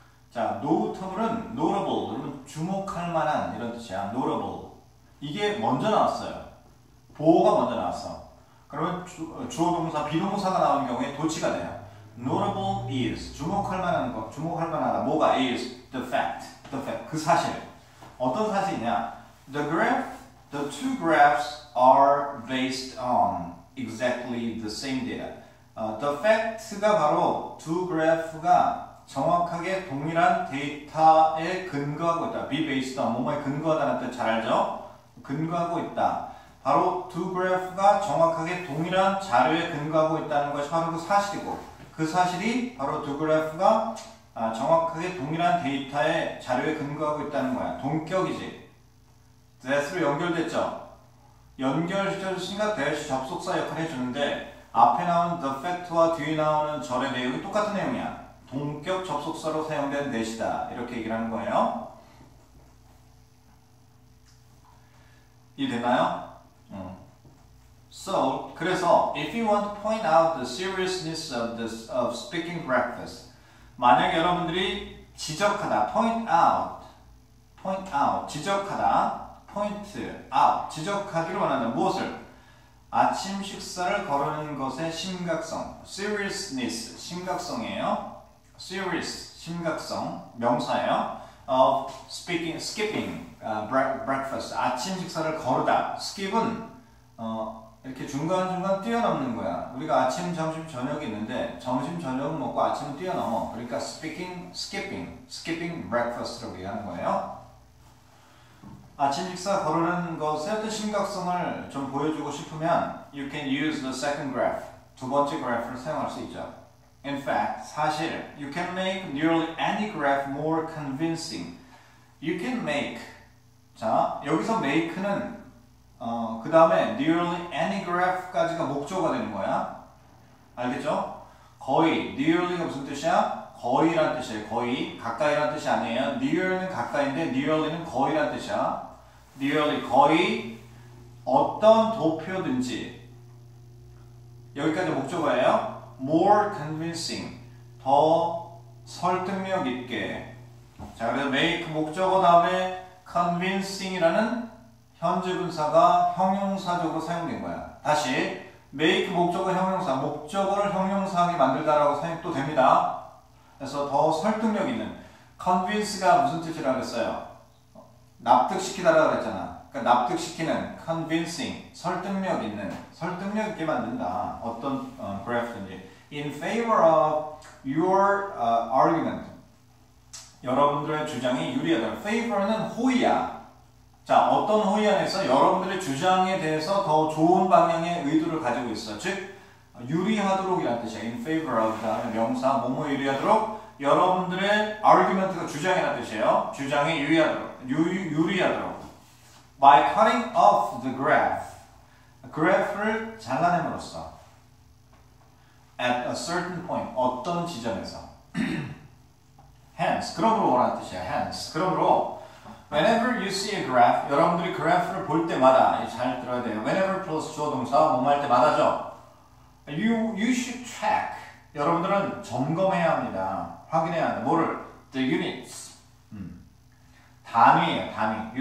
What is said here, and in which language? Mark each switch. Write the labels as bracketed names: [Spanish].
[Korean] 자, notable은 notable, 그러면 주목할 만한 이런 뜻이야. notable. 이게 먼저 나왔어요. 보호가 먼저 나왔어. 그러면 주어동사, 비동사가 나오는 경우에 도치가 돼요. [English] Notable is, [Korean] 주목할 만한 것, 주목할 만하다. 뭐가 is? [English] The fact, [Korean] 그 사실. 어떤 사실이냐? [English] The graph, the two graphs are based on exactly the same data. [Korean] The fact가 바로 두 graph가 정확하게 동일한 데이터에 근거하고 있다. Be based on, 뭐뭐에 근거하다는 뜻 잘 알죠? 근거하고 있다. 바로 두 graph가 정확하게 동일한 자료에 근거하고 있다는 것이 바로 그 사실이고, 그 사실이 바로 두 그래프가 정확하게 동일한 데이터의 자료에 근거하고 있다는 거야. 동격이지. that로 연결됐죠. 연결시켜주시니까 that 접속사 역할을 해주는데 앞에 나온 the fact와 뒤에 나오는 절의 내용이 똑같은 내용이야. 동격 접속사로 사용된 that이다. 이렇게 얘기를 하는 거예요. 이해되나요? [English] So, 그래서 if you want to point out the seriousness of this of speaking breakfast, [Korean] 만약 여러분들이 지적하다, point out, 지적하다, point out, 지적하기를 원한다, 무엇을? 아침 식사를 거르는 것의 심각성, seriousness, 심각성이에요. serious, 심각성, 명사예요. [English] of speaking, skipping breakfast, [Korean] 아침 식사를 거르다, skip은 이렇게 중간중간 뛰어넘는 거야. 우리가 아침, 점심, 저녁이 있는데 점심, 저녁 먹고 아침은 뛰어넘어. 그러니까 skipping breakfast라고 얘기하는 거예요. 아침 식사 거르는 것의 어떤 심각성을 좀 보여주고 싶으면 [English] you can use the second graph, [Korean] 두 번째 graph를 사용할 수 있죠. [English] In fact, 사실 you can make nearly any graph more convincing. You can make, [Korean] 자, 여기서 make는 그 다음에 nearly any graph까지가 목적어가 되는 거야. 알겠죠? 거의, nearly가 무슨 뜻이야? 거의란 뜻이에요. 거의, 가까이란 뜻이 아니에요. nearly는 가까이인데 nearly는 거의란 뜻이야. nearly, 거의 어떤 도표든지 여기까지 목적어예요. more convincing, 더 설득력 있게. 자, 그래서 make 목적어 다음에 convincing이라는 현재 분사가 형용사적으로 사용된 거야. 다시 make 목적어 형용사, 목적어를 형용사하게 만들다라고 사용도 됩니다. 그래서 더 설득력 있는 convince가 무슨 뜻이라고 그랬어요? 납득시키다라고 그랬잖아. 그러니까 납득시키는 convincing, 설득력 있는, 설득력 있게 만든다. 어떤 graph든지 [English] in favor of your argument, [Korean] 여러분들의 주장이 유리하다. favor는 호의야. 자, 어떤 호의 안에서 여러분들의 주장에 대해서 더 좋은 방향의 의도를 가지고 있어. 즉, 유리하도록이라는 뜻이야. [English] In favor of, [Korean] 그 다음에 명사, 뭐뭐 유리하도록. 여러분들의 argument가 주장이라는 뜻이에요. 주장에 유리하도록, 유리하도록. [English] By cutting off the graph, [Korean] graph를 잘라냄으로써. [English] At a certain point, [Korean] 어떤 지점에서. Hence, 그러므로라는 뜻이야. Hence, 그러므로. [English] Whenever you see a graph, [Korean] 여러분들이 graph를 볼 때마다, 잘 들어야 돼요. Whenever plus 조동사, 뭐뭐할 때마다죠. [English] You should check. [Korean] 여러분들은 점검해야 합니다. 확인해야 합니다. 뭐를? [English] The units. [Korean] 단위예요, 단위.